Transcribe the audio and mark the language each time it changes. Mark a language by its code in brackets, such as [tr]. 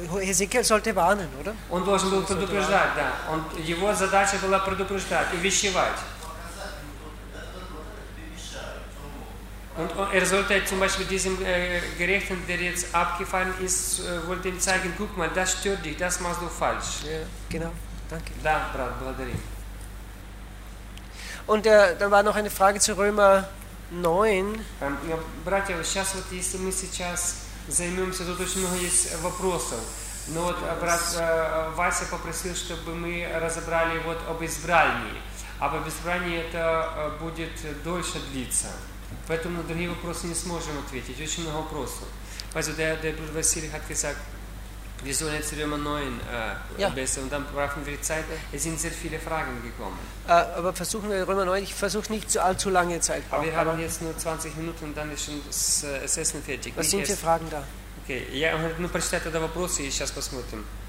[de] Езекиил сольте варнен, oder? [ru] Он должен был предупреждать, да. Он, его задача была предупреждать, увещевать. [de] Und er sollte zum Beispiel diesem Gerechten, der jetzt abgefallen ist, wollte ihm zeigen, guck mal, das stört dich, das machst du falsch. Genau, danke. [ru] Да, брат, благодарим. [de] Und da war noch eine Frage zu Römer 9. [ru] Братья, сейчас вот если мы сейчас займемся, тут очень много есть вопросов. Но вот брат Вася попросил, чтобы мы разобрали вот об избрании. Об избрании это будет дольше длиться. Поэтому на другие вопросы не сможем ответить. Очень много вопросов. [de] Also der Bruder Василий hat gesagt, wir sollen jetzt Römer 9 besser und dann brauchen wir die Zeit. Es sind sehr viele Fragen gekommen. Aber versuchen wir Römer 9, ich versuche nicht zu allzu lange Zeit. Aber wir haben jetzt nur 20 Minuten und dann ist schon das Assessment fertig. Was sind für Fragen da? Okay, ja, nur [ru] прочитайте тогда вопросы, и сейчас посмотрим.